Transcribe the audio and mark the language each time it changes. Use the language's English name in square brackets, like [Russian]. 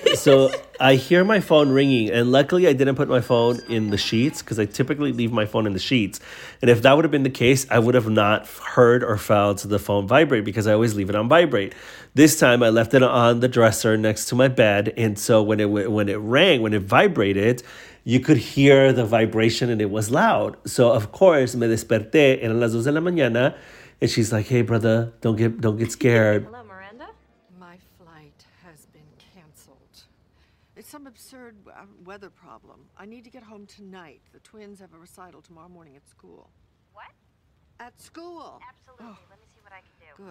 [English] So I hear my phone ringing, and luckily I didn't put my phone in the sheets because I typically leave my phone in the sheets. And if that would have been the case, I would have not heard or felt the phone vibrate because I always leave it on vibrate. This time I left it on the dresser next to my bed. And so when it vibrated, you could hear the vibration and it was loud. So of course, [Spanish] me desperté, eran las 2 de la mañana. [English] And she's like, hey, brother, don't get scared. Hello, Miranda. My flight has been canceled. It's some absurd weather problem. I need to get home tonight. The twins have a recital tomorrow morning at school. What? At school. Absolutely. Oh. Let me see what I can do.